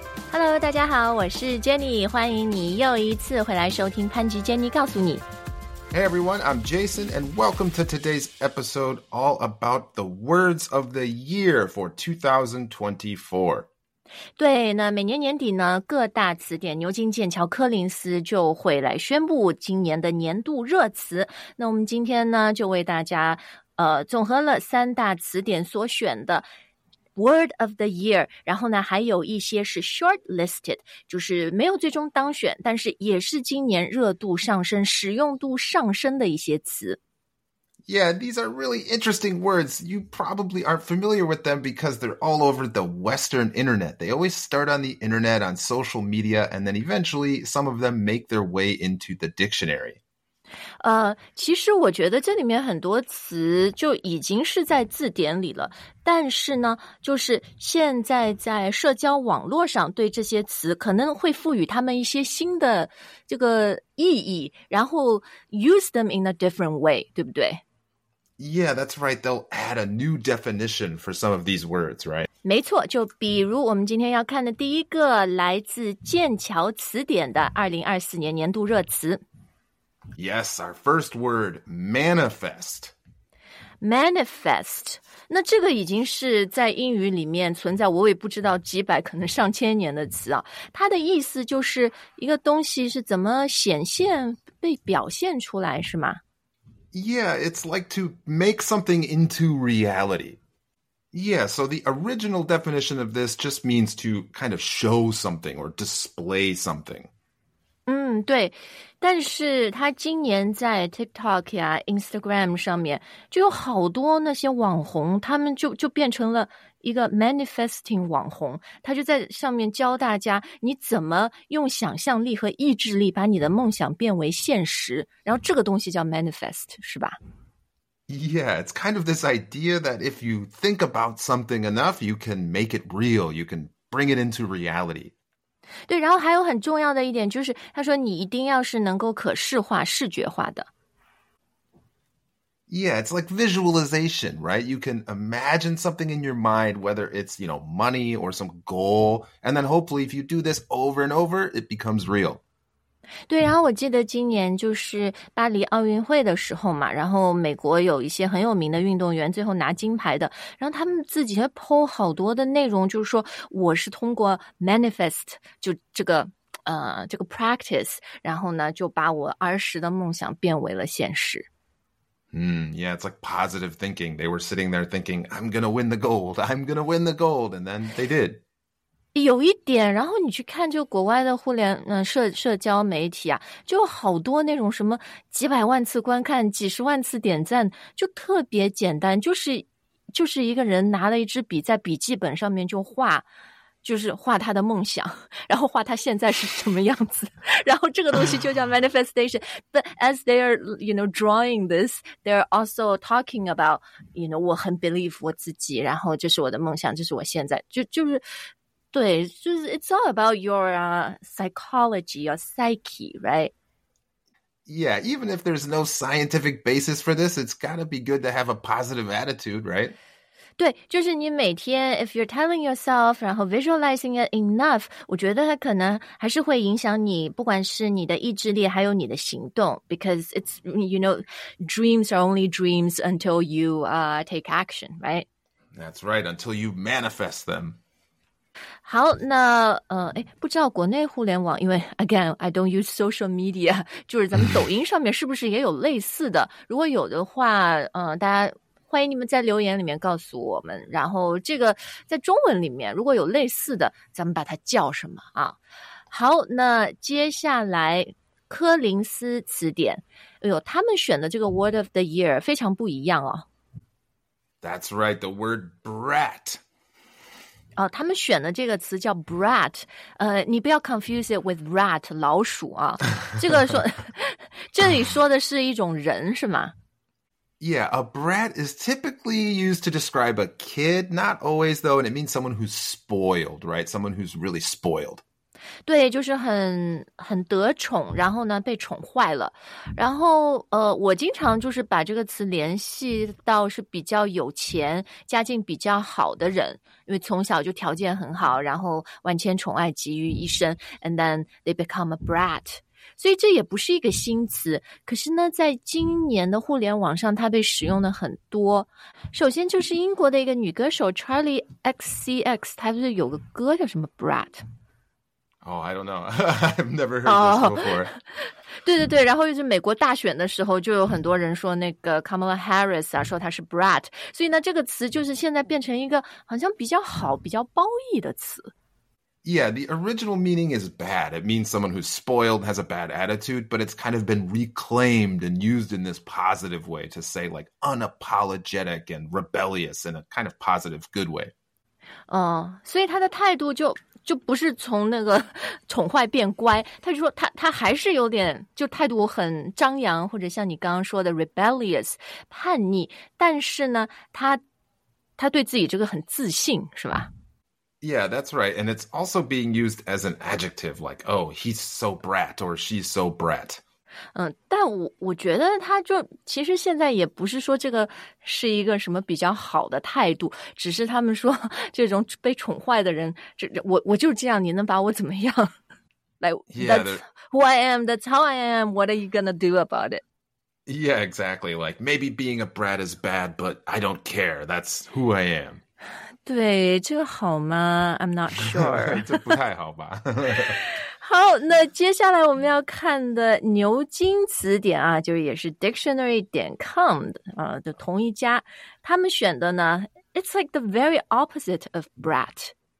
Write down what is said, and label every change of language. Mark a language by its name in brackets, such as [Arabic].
[Chinese] Hello， 大家好，我是 Jenny， 欢迎你又一次回来收听潘吉 Jenny 告诉你。 [English] Hey everyone, I'm Jason, and welcome to today's episode all about the words of the year for 2024. [Chinese] 对，那每年年底呢，各大词典牛津、剑桥、柯林斯就会来宣布今年的年度热词。那我们今天呢，就为大家总合了三大词典所选的 Word of the Year， 然后呢，还有一些是 shortlisted， 就是没有最终当选，但是也是今年热度上升、使用度上升的一些词。 [English] Yeah, these are really interesting words. You probably aren't familiar with them because they're all over the Western internet. They always start on the internet, on social media, and then eventually some of them make their way into the dictionary. [Chinese] 其实我觉得这里面很多词就已经是在字典里了，但是呢，就是现在在社交网络上对这些词可能会赋予他们一些新的这个意义，然后 [English] use them in a different way, [Chinese] 对不对？ [English] Yeah, that's right. They'll add a new definition for some of these words, right? [Chinese] 没错，就比如我们今天要看的第一个来自剑桥词典的2024年年度热词。 [English] Yes, our first word, manifest. Manifest. [Chinese] 那这个已经是在英语里面存在我也不知道几百可能上千年的词啊。它的意思就是一个东西是怎么显现被表现出来是吗？ [English] Yeah, it's like to make something into reality. Yeah, so the original definition of this just means to kind of show something or display something. [Chinese] 对，但是他今年在 TikTok 呀、Instagram 上面就有好多那些网红，他们就变成了一个 manifesting 网红，他就在上面教大家你怎么用想象力和意志力把你的梦想变为现实，然后这个东西叫 manifest, 是吧？ [English] Yeah, it's kind of this idea that if you think about something enough, you can make it real, you can bring it into reality. [Chinese] 对，然后还有很重要的一点就是他说你一定要是能够可视化、视觉化的。 [English] Yeah, it's like visualization, right? You can imagine something in your mind, whether it's, you know, money or some goal, and then hopefully if you do this over and over, it becomes real. [Chinese] 对，然后我记得今年就是巴黎奥运会的时候嘛，然后美国有一些很有名的运动员最后拿金牌的，然后他们自己还 po 好多的内容，就是说我是通过 manifest 就这个 practice, 然后呢就把我儿时的梦想变为了现实。 [English] Yeah, it's like positive thinking. They were sitting there thinking, I'm gonna win the gold, I'm gonna win the gold, and then they did. [Chinese] 有一点，然后你去看就国外的互联社交媒体啊，就好多那种什么几百万次观看、几十万次点赞，就特别简单，就是一个人拿了一支笔在笔记本上面就画，就是画他的梦想，然后画他现在是什么样子，然后这个东西就叫 manifestation. [English] But as they are, you know, drawing this, they're also talking about, you know, [Chinese] 我很 believe 我自己，然后这是我的梦想，这是我现在，就是。对，就是 [English] it's all about your psychology, your psyche, right? Yeah, even if there's no scientific basis for this, it's gotta be good to have a positive attitude, right? [Chinese] 对，就是你每天 [English] if you're telling yourself, [Chinese] 然后 [English] visualizing it enough, [Chinese] 我觉得它可能还是会影响你，不管是你的意志力还有你的行动， [English] because it's, you know, dreams are only dreams until you take action, right? That's right, until you manifest them. [Chinese] 好，那不知道国内互联网，因为 [English] again I don't use social media, [Chinese] 就是咱们抖音上面是不是也有类似的，如果有的话大家欢迎你们在留言里面告诉我们，然后这个在中文里面如果有类似的咱们把它叫什么啊。好，那接下来柯林斯词典，哎呦，他们选的这个 word of the year 非常不一样哦。 [English] That's right, the word brat. [Chinese] 他们选的这个词叫 brat, 你不要 [English] confuse it with rat, [Chinese] 老鼠啊。这个说这里说的是一种人是吗？ [English] Yeah, a brat is typically used to describe a kid, not always though, and it means someone who's spoiled, right? Someone who's really spoiled. [Chinese] 对，就是很得宠，然后呢被宠坏了，然后我经常就是把这个词联系到是比较有钱、家境比较好的人，因为从小就条件很好，然后万千宠爱集于一身 ， [English] and then they become a brat。 [Chinese] 所以这也不是一个新词，可是呢，在今年的互联网上，它被使用的很多。首先就是英国的一个女歌手 Charlie XCX， 她不是有个歌叫什么 Brat？ [English] Oh, I don't know. I've never heard this before. [Chinese] 对对对，然后就是美国大选的时候，就有很多人说那个 Kamala Harris 啊，说她是 Brat。所以呢，这个词就是现在变成一个好像比较好、比较褒义的词。 [English] Yeah, the original meaning is bad. It means someone who's spoiled, has a bad attitude, but it's kind of been reclaimed and used in this positive way to say like unapologetic and rebellious in a kind of positive, good way. [Chinese] 所以他的态度就不是从那个宠坏变乖，他就说他还是有点就态度很张扬，或者像你刚刚说的 rebellious, 叛逆，但是呢他对自己这个很自信，是吧？ [English] Yeah, that's right. And it's also being used as an adjective, like, oh, he's so brat or she's so brat. [Chinese] 但我觉得他就其实现在也不是说这个是一个什么比较好的态度，只是他们说这种被宠坏的人，我就是这样，你能把我怎么样？ [English] That's who I am, that's how I am, what are you gonna do about it? Yeah, exactly. Like, maybe being a brat is bad, but I don't care. That's who I am. [Chinese] 对，这个好吗 ？ [English] I'm not sure. [Chinese] 这不太好吧？好，那接下来我们要看的牛津词典啊，就是也是 dictionary.com 的同一家，他们选的呢 ， [English] It's like the very opposite of brat.